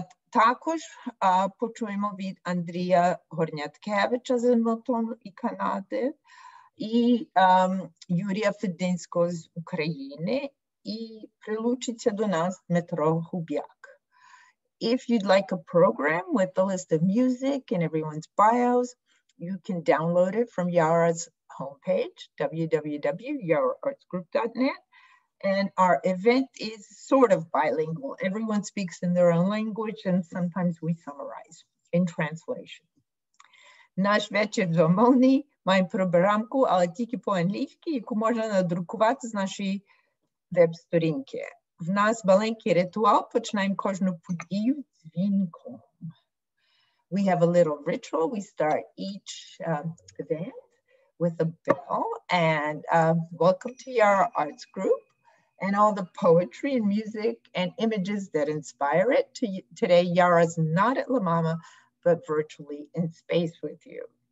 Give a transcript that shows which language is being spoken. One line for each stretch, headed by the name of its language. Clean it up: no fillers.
Ukrainian: Також почуємо від Андрія Горняткевича з Едмонтону і Канади, і Юрія Фединського з України, і прилучиться до нас Дмитро Хубяк.
English: If you'd like a program with the list of music and everyone's bios, you can download it from Yara's homepage, www.yaraartsgroup.net. And our event is sort of bilingual. Everyone speaks in their own language, and sometimes we summarize in translation.
Ukrainian: Наш вечір домовний. Маємо програмку, але тільки по-англійськи, яку можна надрукувати з нашої веб-сторінки. В нас маленький ритуал. Починаємо кожну подію дзвінком.
English: We have a little ritual. We start each event with a bell and welcome to Yara Arts Group and all the poetry and music and images that inspire it. Today, Yara's not at La Mama, but virtually in space with you.